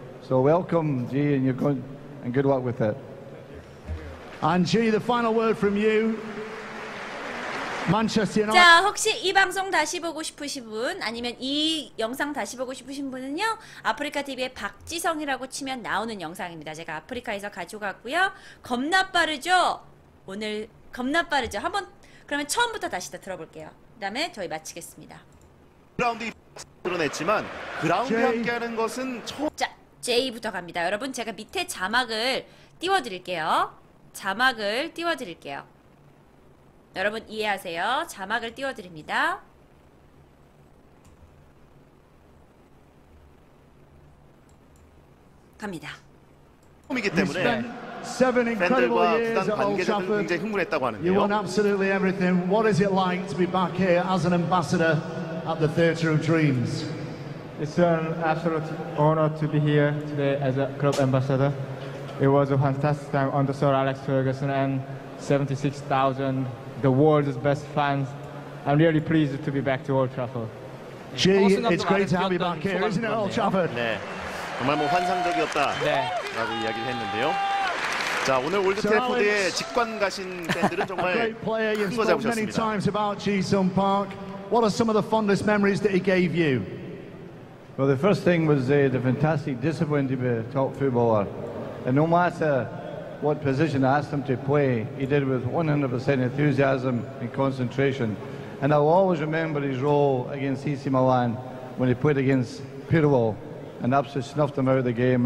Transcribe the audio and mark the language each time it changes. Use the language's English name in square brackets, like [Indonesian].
[English] So welcome, G, and you're going and good luck with it. And G, the final word from you. [Korean] 자 혹시 이 방송 다시 보고 싶으신 분 아니면 이 영상 다시 보고 싶으신 분은요 아프리카 TV의 박지성이라고 치면 나오는 영상입니다. 제가 아프리카에서 가져갔고요. 겁나 빠르죠? 오늘 겁나 빠르죠? 한번 그러면 처음부터 다시 다 들어볼게요. 그 다음에 저희 마치겠습니다. 그라운드 드러냈지만 그라운드 함께하는 것은 자 J부터 갑니다. 여러분 제가 밑에 자막을 띄워드릴게요. 자막을 띄워드릴게요. 여러분 이해하세요? 자막을 띄워드립니다. 갑니다. 처음이기 때문에 팬들과 부단 관계자들 굉장히 흥분했다고 하는데요. [English] You want absolutely everything. What is it like to be back here as an ambassador at the Theatre of Dreams? It's an absolute honor to be here today as a club ambassador. It was a fantastic time under Sir Alex Ferguson and 76,000 the world's best fans. I'm really pleased to be back to Old Trafford. Gee, it's great to have you back here, isn't it, Old Trafford? [Korean] 네. 정말 뭐 환상적이었다라고 네. 이야기를 했는데요. 자 오늘 올드 트래포드에 직관 가신 팬들은 정말 큰 거 잡으셨습니다. [English] What are some of the fondest memories that he gave you? Well, the first thing was the fantastic discipline to be a top footballer. And no matter what position I asked him to play, he did it with 100% enthusiasm and concentration. And I'll always remember his role against AC Milan when he played against Pirlo and absolutely snuffed him out of the game.